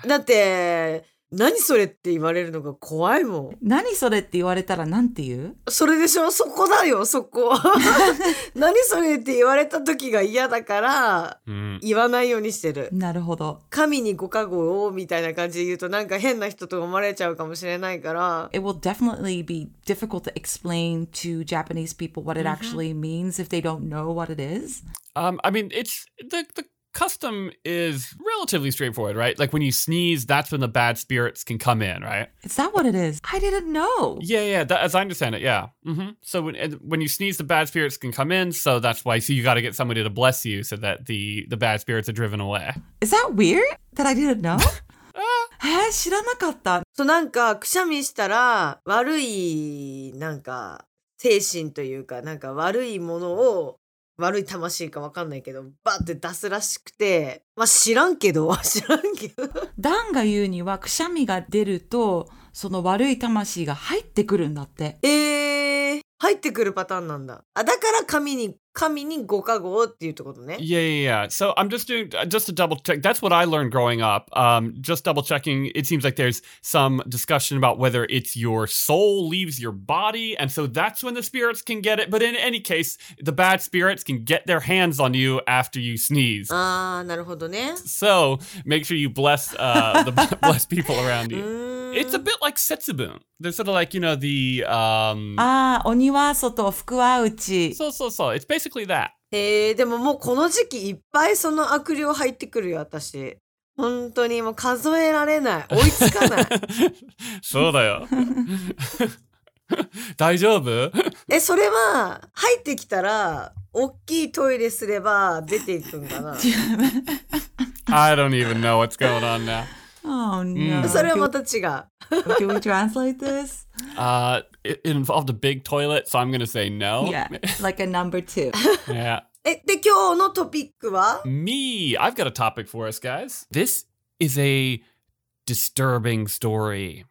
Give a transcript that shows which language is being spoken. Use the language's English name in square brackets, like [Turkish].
[Japanese] だって、何それって言われるのが怖いもん。何それって言われたらなんて言う？それでしょ？そこだよ、そこ。何それって言われた時が嫌だから、言わないようにしてる。なるほど。神にご加護をみたいな感じで言うとなんか変な人と思われちゃうかもしれないから。 [English] It will definitely be difficult to explain to Japanese people what it actually means if they don't know what it is. I mean, it's... the custom is relatively straightforward, right? Like when you sneeze, that's when the bad spirits can come in, right? Is that what it is? I didn't know. Yeah. As I understand it, yeah. Mm-hmm. So when you sneeze, the bad spirits can come in. So that's why. So you got to get somebody to bless you so that the bad spirits are driven away. Is that weird that I didn't know? [Japanese] え知らなかった。そうなんかくしゃみしたら悪いなんか精神というかなんか悪いものを悪い魂か分かんないけどバッて出すらしくてまあ知らんけどダンが言うにはくしゃみが出るとその悪い魂が入ってくるんだって入ってくるパターンなんだあだから神に神にご加護をって言うってことね。 [English] Yeah. So I'm just doing, just to double check. That's what I learned growing up. Just double checking. It seems like there's some discussion about whether it's your soul leaves your body. And so that's when the spirits can get it. But in any case, the bad spirits can get their hands on you after you sneeze. [Japanese] ああ、なるほどね。 [English] So make sure you bless, the bless people around you. It's a bit like Setsubun. They're sort of like, you know, the... [Japanese] ああ、お庭外を福は内。そうそうそう。 [English] It's basically that. [Japanese] でももうこの時期いっぱいその悪霊入ってくるよ、私。本当にもう数えられない。追いつかない。そうだよ。大丈夫？それは入ってきたら大きいトイレすれば出ていくんかな。 [English] I don't even know what's going on now. Oh, no. [Japanese] それはまた違う。 [English] Can we translate this? It involved a big toilet, so I'm going to say no. Yeah, like a number two. Yeah. [Japanese] で、今日のトピックは? [English] Me. I've got a topic for us, guys. This is a disturbing story.